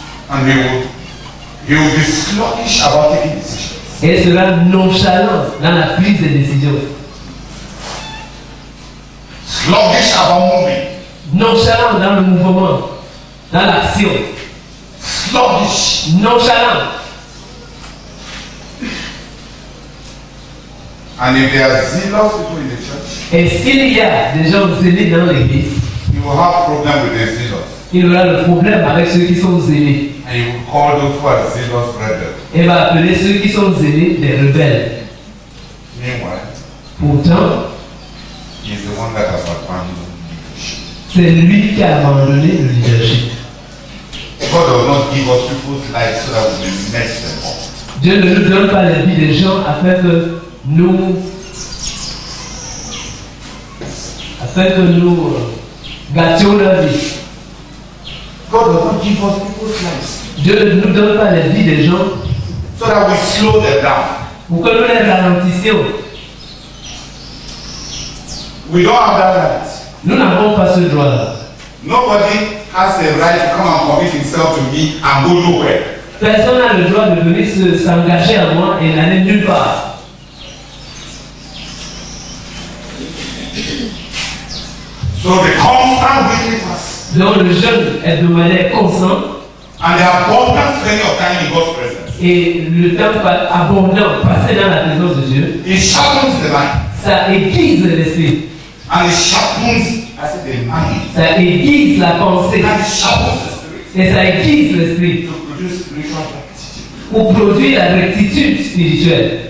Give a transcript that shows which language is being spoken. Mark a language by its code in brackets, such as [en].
[en] And he will be sluggish about taking decisions. [fr] Et sera nonchalant dans la prise de décision. [en] Sluggish about moving. [fr] Nonchalant dans le mouvement, dans l'action. [en] Sluggish. [fr] Nonchalant. [en] And if there are zealous people in the church, [fr] et s'il y a des gens zélés dans l'église, [en] you will have problem with the zealous. [fr] Il aura le problème avec ceux qui sont zélés. [en] And you will call those who are zealous rebels. [fr] Et va appeler ceux qui sont zélés des rebelles. [en] Meanwhile, [fr] pourtant, [en] he is the one that has abandoned leadership. [fr] C'est lui qui a abandonné le leadership. [en] God does not give us people's lives so that we will mess them up. [fr] Dieu ne nous donne pas la vie des gens afin que gâtions leur vie. [en] God does not give us people's lives. [fr] Dieu ne nous donne pas la vie des gens. [en] So that we slow them down. [fr] Pour que nous les ralentissions. [en] We don't have that right. [fr] Nous n'avons pas ce droit-là. [en] Nobody has a right to come and commit himself to me and go nowhere. [fr] Personne n'a le droit de venir s'engager à moi et n'aller nulle part. [en] So the constant witness. [fr] Donc le jeûne est de manière constante. [en] And the abundant spending of time in God's presence. [fr] Et le temps abondant passé dans la présence de Dieu. [en] It sharpens the mind. [fr] Ça aiguise l'esprit. [en] And it sharpens the mind. [fr] Ça aiguise la pensée. [en] And it sharpens the spirit. [fr] Et ça aiguise l'esprit. [en] To produce spiritual rectitude. [fr] Pour produire la rectitude spirituelle.